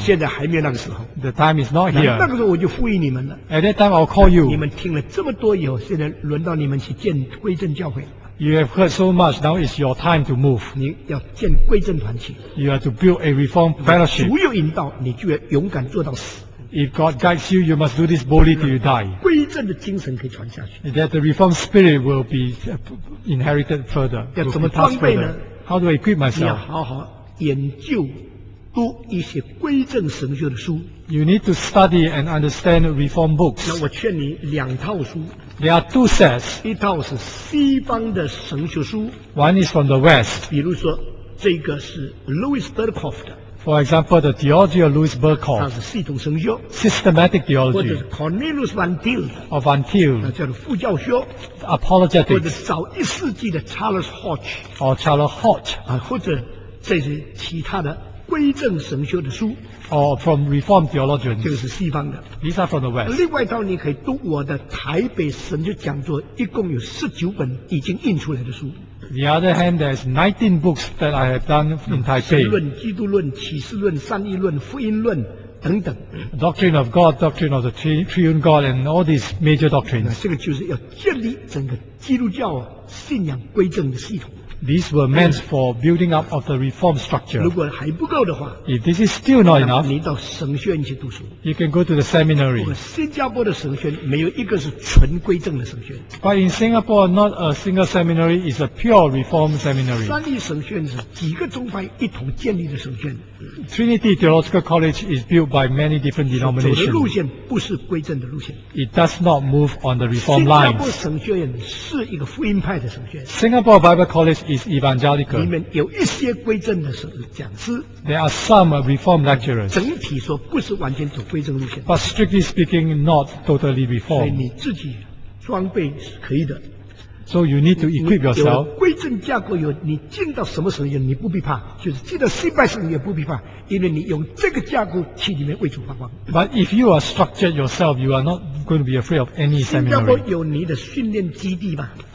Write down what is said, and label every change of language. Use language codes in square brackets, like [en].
[zh] 现在还没有那个时候。 [en] The time is not here. [zh] 那个时候我就呼吁你们了。 [en] At that time, I'll call you. [zh] 你们听了这么多以后，现在轮到你们去建归正教会。 [en] You have heard so much, now it's your time to move. [zh] 你要建归正团体。 [en] You have to build a reform fellowship. [zh] 主有引导，你就要勇敢做到死。 [en] If God guides you, you must do this boldly till you die. [zh] 归正的精神可以传下去。 [en] That the reform spirit will be inherited further. [zh] 要怎么装备呢 [en] ？How do I equip myself? [zh] 你要好好研究，读一些归正神学的书。 [en] You need to study and understand reform books. [zh] 那我劝你两套书。 [en] There are two sets. [zh] 一套是西方的神学书。 [en] One is from the West. [zh] 比如说，这个是 Louis Berkhof 的。 [en] For example, the theology of Louis Burkhoff. [zh] 它是系统神学。 [en] Systematic theology. [zh] 或者是 Cornelius van Til. [en] Or van Til. [zh] 那叫做副教学。 [en] Apologetics. [zh] 或者早一世纪的 Charles Hodge. [en] Or Charles Hodge. [zh] 啊，或者这些其他的归正神学的书。 [en] Or from Reformed theologians. [zh] 这个是西方的。 [en] These are from the West. [zh] 另外，到你可以读我的台北神学讲座，一共有19本已经印出来的书。 [en] The other hand, there's 19 books that I have done in Taipei. [zh] 神论、基督论、启示论、三一论、福音论等等。 [en] Doctrine of God, Doctrine of the Triune God, and all these major doctrines. [zh] 这个就是要建立整个基督教信仰归正的系统。 [en] These were meant for building up of the reform structure. [zh] 如果还不够的话， [en] if this is still not enough, [zh] 你到神学院去读书， [en] you can go to the seminary. [zh] 新加坡的神学院没有一个是纯归正的神学院。 [en] But in Singapore, not a single seminary is a pure reform seminary. [zh] 三一神学院是几个宗派一同建立的神学院。 [en] Trinity Theological College is built by many different denominations. [zh] 走的路线不是归正的路线。 [en] It does not move on the reform lines. [zh] 新加坡神学院是一个福音派的神学院。 [en] Singapore Bible College is evangelical. [zh] 里面有一些归正的讲师。 [en] There are some reform lecturers. [zh] 整体说不是完全走归正路线。 [en] But strictly speaking, not totally reform. [zh] 所以你自己装备是可以的。 [en] So you need to equip yourself. [zh] 有归正架构，有你进到什么神学你不必怕，就是进到失败神也不必怕，因为你用这个架构去里面为主发光。 [en] But if you are structured yourself, you are not going to be afraid of any seminary. [zh] 新加坡有你的训练基地吗？